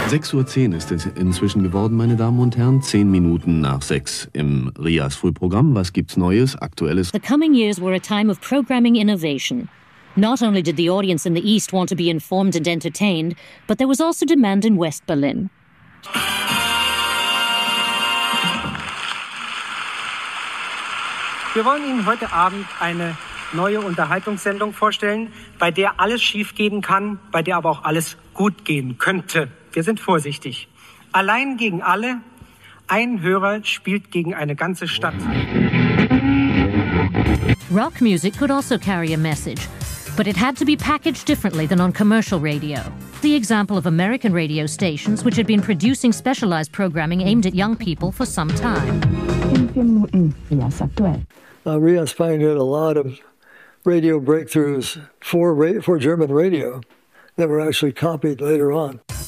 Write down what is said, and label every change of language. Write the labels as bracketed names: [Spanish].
[German] Uhr 10 ist es inzwischen geworden, meine Damen und Herren. 6:10 im RIAS Frühprogramm. Was gibt's Neues, Aktuelles? [English] The coming years were a time of programming innovation. Not only did the audience in the East want to be informed and entertained, but there was also demand in West Berlin. [German] Wir wollen Ihnen heute Abend eine neue Unterhaltungssendung vorstellen, bei der alles schiefgehen kann, bei der aber auch alles gut gehen könnte. Wir sind vorsichtig. Allein gegen alle, ein Hörer spielt gegen eine ganze Stadt. [English] Rock music could also carry a message, but it had to be packaged differently than on commercial radio. The example of American radio stations, which had been producing specialized programming aimed at young people for some time. Rias pioneered a lot of radio breakthroughs for German radio that were actually copied later on.